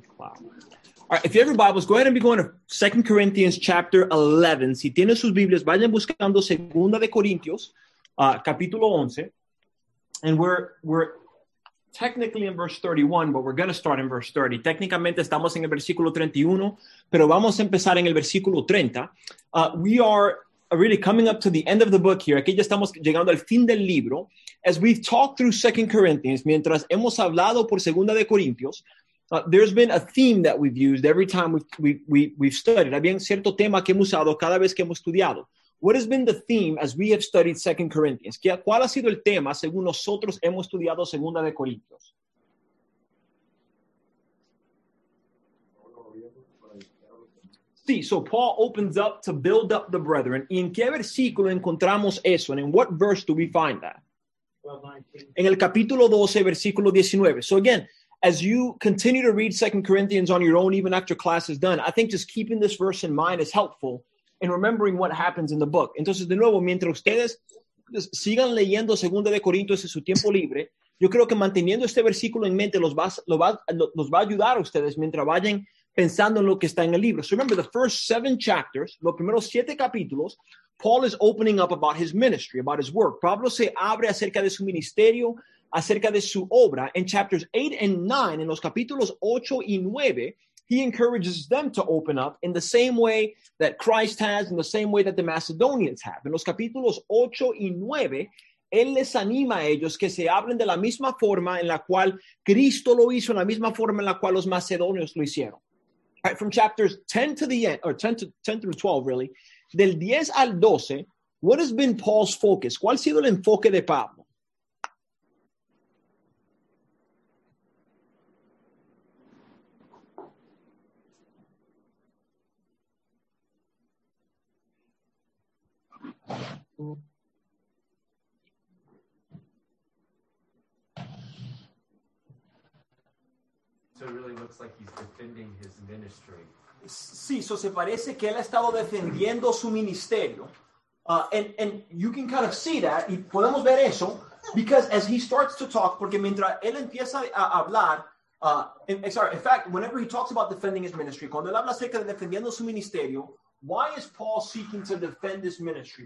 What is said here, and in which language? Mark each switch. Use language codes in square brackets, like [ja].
[en] All right, if you have your Bibles, go ahead and be going to 2 Corinthians chapter 11. [es] Si tienes sus Biblias, vayan buscando 2 de Corintios, capítulo 11. [en] And we're technically in verse 31, but we're going to start in verse 30. [es] Técnicamente estamos en el versículo 31, pero vamos a empezar en el versículo 30. [en] We are really coming up to the end of the book here. [es] Aquí ya estamos llegando al fin del libro. [en] As we've talked through 2 Corinthians, [es] mientras hemos hablado por 2 de Corintios, [en] there's been a theme that we've used every time we've studied. [es] Había cierto tema que hemos usado cada vez que hemos estudiado. [en] What has been the theme as we have studied 2 Corinthians? [es] ¿Cuál ha sido el tema según nosotros hemos estudiado 2 de Corintios? [en] Sí, so Paul opens up to build up the brethren. [es] ¿Y en qué versículo encontramos eso? [en] And in what verse do we find that? 12:19. [es] En el capítulo 12, versículo 19. [en] So again, as you continue to read 2 Corinthians on your own, even after class is done, I think just keeping this verse in mind is helpful in remembering what happens in the book. [es] Entonces, de nuevo, mientras ustedes sigan leyendo 2 de Corintios en su tiempo libre, yo creo que manteniendo este versículo en mente los va a ayudar a ustedes mientras vayan pensando en lo que está en el libro. [en] So remember, the first seven chapters, [es] los primeros siete capítulos, [en] Paul is opening up about his ministry, about his work. [es] Pablo se abre acerca de su ministerio, acerca de su obra. [en] In chapters 8 and 9, [es] en los capítulos 8 y 9, [en] he encourages them to open up in the same way that Christ has, in the same way that the Macedonians have. [es] En los capítulos 8 y 9, él les anima a ellos que se hablen de la misma forma en la cual Cristo lo hizo, en la misma forma en la cual los macedonios lo hicieron. [en] Right, from chapters 10 to the end, or 10 through 12, really, [es] del 10 al 12, [en] what has been Paul's focus? [es] ¿Cuál ha sido el enfoque de Pablo? [en] So it really looks like he's defending his ministry. [es] Sí, so se parece que él ha estado defendiendo su ministerio. [en] And you can kind of see that, [es] y podemos ver eso, [en] because as he starts to talk, [es] porque mientras él empieza a hablar, [en] in fact, whenever he talks about defending his ministry, [es] cuando él habla acerca de defendiendo su ministerio, [en] why is Paul seeking to defend this ministry?